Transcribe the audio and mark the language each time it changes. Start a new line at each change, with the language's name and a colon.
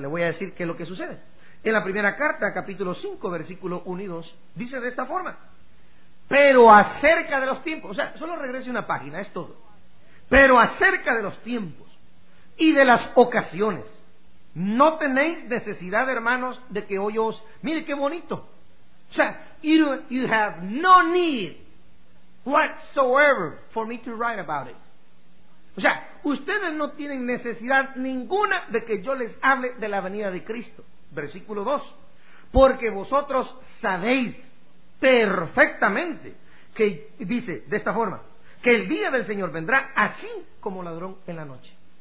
Spanish: Le voy a decir qué es lo que sucede. En la primera carta, capítulo 5, versículo 1 y 2, dice de esta forma: pero acerca de los tiempos, o sea, solo regrese una página, es todo. Pero acerca de los tiempos y de las ocasiones, no tenéis necesidad, hermanos, de que hoy os... Mire qué bonito.
English: O sea, you have no need whatsoever for me to write about it.
Spanish: O sea, ustedes no tienen necesidad ninguna de que yo les hable de la venida de Cristo. Versículo 2. Porque vosotros sabéis perfectamente, que dice de esta forma, que el día del Señor vendrá así como ladrón en la noche.